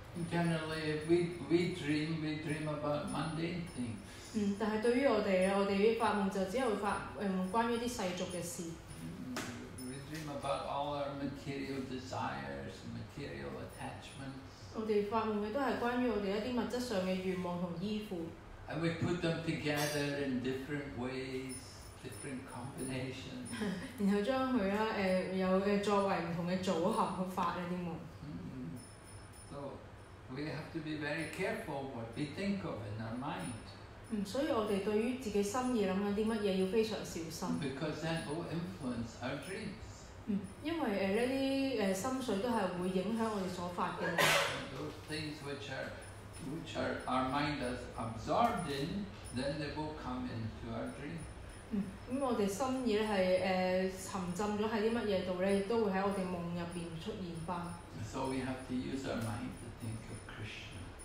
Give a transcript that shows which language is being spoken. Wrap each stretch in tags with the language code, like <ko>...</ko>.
<en>Generally, if we dream about mundane things.</en> <yue>但係對於我哋咧，我哋發夢就只係發關於啲世俗嘅事。</yue> <en>We dream about all our material desires, material attachments.</en> <yue>我哋發夢嘅都係關於我哋一啲物質上嘅願望同依附。</yue> <en>And we put them together in different ways, different combinations.</en> <yue>然後將佢啦，有嘅作為唔同嘅組合去發呢啲夢。</yue> <en>So we have to be very careful what we think of in our mind.</en> <yue>所以我哋對於自己心意諗緊啲乜嘢要非常小心。</yue> <en>Because that will influence our dreams.</en> <yue>因為呢啲心水都係會影響我哋所發嘅。</yue> <en>Those things which our mind has absorbed in, then they will come into our dream.</en> <yue>咁我哋心意咧係沉浸咗喺啲乜嘢度咧，亦都會喺我哋夢入邊出現翻。</yue> <en>So we have to use our mind to think of Krishna。</en>